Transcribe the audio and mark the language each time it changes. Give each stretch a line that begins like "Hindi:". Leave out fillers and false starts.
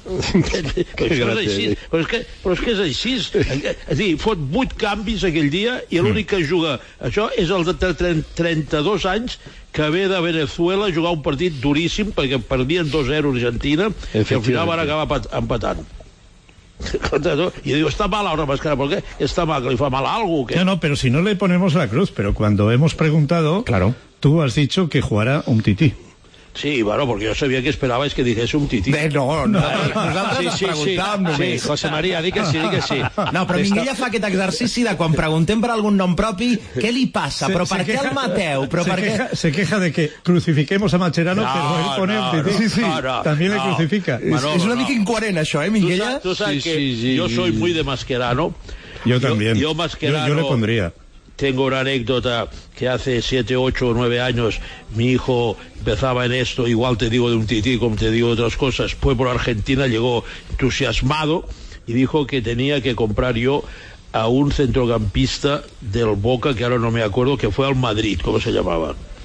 Catalan: Però és que és així. És a dir, fot 8 canvis aquell dia i l'únic que juga això és el de 32 anys que ve de Venezuela a jugar un partit duríssim perquè perdien 2-0 Argentina i al final van acabar empatant.
Spanish: Y digo, está mal ahora Mascherano, ¿por qué? Está mal, que le fue mal algo. No, no, pero si no le ponemos la cruz, pero cuando hemos preguntado, claro, tú has dicho que jugará un Tití. Sí, bueno, porque yo sabía que esperabais que dijese un Tití.
Catalan: No. Nosaltres sí, preguntàvem.
Spanish: Sí, José María, di que sí.
Catalan: No, però Minguella fa aquest exercici de quan preguntem per algun nom propi, què li passa?
Spanish: Se queja de que crucifiquemos a Mascherano, no,
Catalan: però ell
Spanish: pone un Tití. También le crucifica.
Catalan: És una mica incoherent, això, Minguella? Tu saps que
Spanish: yo soy muy de Mascherano. Yo también. Yo Mascherano... Yo le pondría... Tengo una anécdota que hace 7, 8 o 9 años mi hijo empezaba en esto, igual te digo de un Tití como te digo de otras cosas, fue por Argentina, llegó entusiasmado y dijo que tenía que comprar yo a un centrocampista del Boca, que ahora no me acuerdo, que fue al Madrid, ¿cómo se llamaba?